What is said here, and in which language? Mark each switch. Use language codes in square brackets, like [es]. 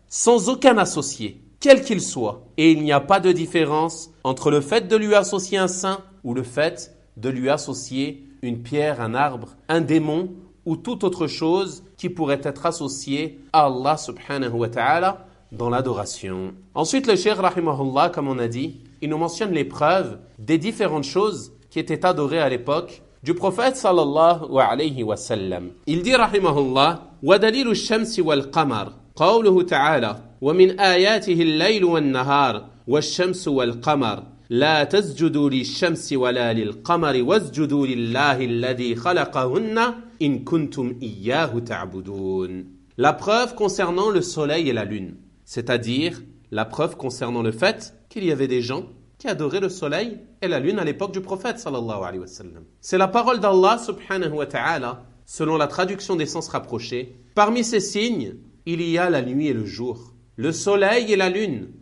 [fr] Sans aucun associé. Quel qu'il soit, et il n'y a pas de différence entre le fait de lui associer un saint ou le fait de lui associer une pierre, un arbre, un démon ou toute autre chose qui pourrait être associée à Allah subhanahu wa ta'ala dans l'adoration. Ensuite, le cheikh rahimahullah, comme on a dit, il nous mentionne les preuves des différentes choses qui étaient adorées à l'époque du prophète sallallahu alayhi wa sallam. Il dit rahimahullah, [ar] « Wa dalil al-shamsi wal-qamar » قوله تعالى ومن آياته الليل والنهار والشمس والقمر لا تسجدوا للشمس ولا للقمر واسجدوا لله الذي خلقهن إن كنتم إياه تعبدون. [fr] La preuve concernant le soleil et la lune, c'est-à-dire la preuve concernant le fait qu'il y avait des gens qui adoraient le soleil et la lune à l'époque du prophète sallallahu alayhi wa sallam. C'est la parole d'Allah subhanahu wa ta'ala selon la traduction des sens rapprochés. Parmi ces signes, il y a la nuit et le jour, le soleil et la lune.